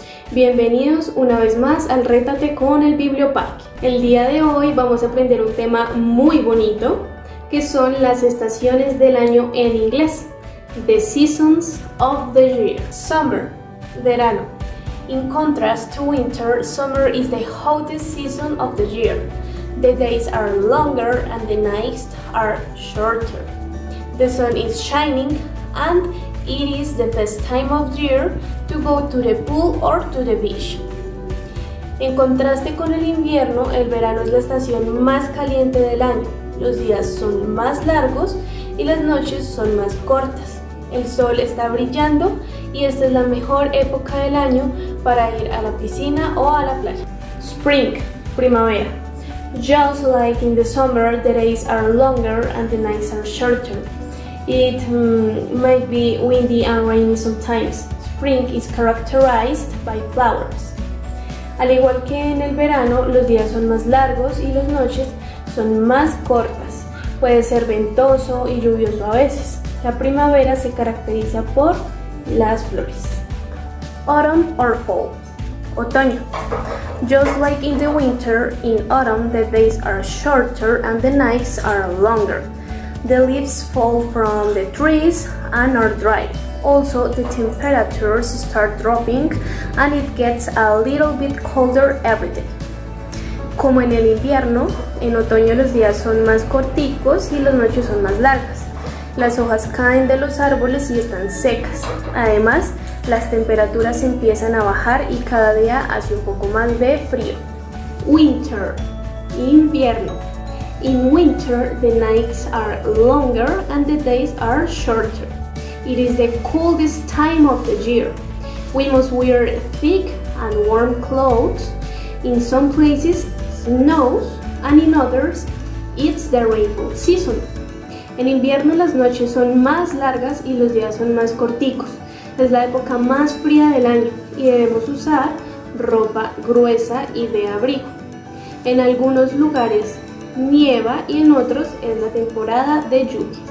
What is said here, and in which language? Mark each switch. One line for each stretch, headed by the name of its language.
Spanish: Bienvenidos una vez más al Rétate con el Biblioparque. El día de hoy vamos a aprender un tema muy bonito, que son las estaciones del año en inglés.
English: The seasons of the year. Summer, verano. In contrast to winter, summer is the hottest season of the year. The days are longer and the nights are shorter. The sun is shining and it is the best time of year to go to the pool or to the beach.
Spanish: En contraste con el invierno, el verano es la estación más caliente del año. Los días son más largos y las noches son más cortas. El sol está brillando y esta es la mejor época del año para ir a la piscina o a la playa.
English: Spring, primavera. Just like in the summer, the days are longer and the nights are shorter. It might be windy and rainy sometimes. Spring is characterized by flowers.
Spanish: Al igual que en el verano, los días son más largos y las noches son más cortas. Puede ser ventoso y lluvioso a veces. La primavera se caracteriza por las flores.
English: Autumn or fall.
Spanish: Otoño.
English: Just like in the winter, in autumn the days are shorter and the nights are longer. The leaves fall from the trees and are dry. Also, the temperatures start dropping and it gets a little bit colder every day.
Spanish: Como en el invierno, en otoño los días son más corticos y las noches son más largas. Las hojas caen de los árboles y están secas. Además, las temperaturas empiezan a bajar y cada día hace un poco más de frío.
English: Winter, invierno. In winter, the nights are longer and the days are shorter. It is the coldest time of the year. We must wear thick and warm clothes. In some places, snows, and in others, it's the rainfall season.
Spanish: En invierno, las noches son más largas y los días son más corticos. Es la época más fría del año y debemos usar ropa gruesa y de abrigo. En algunos lugares, nieva y en otros es la temporada de lluvia.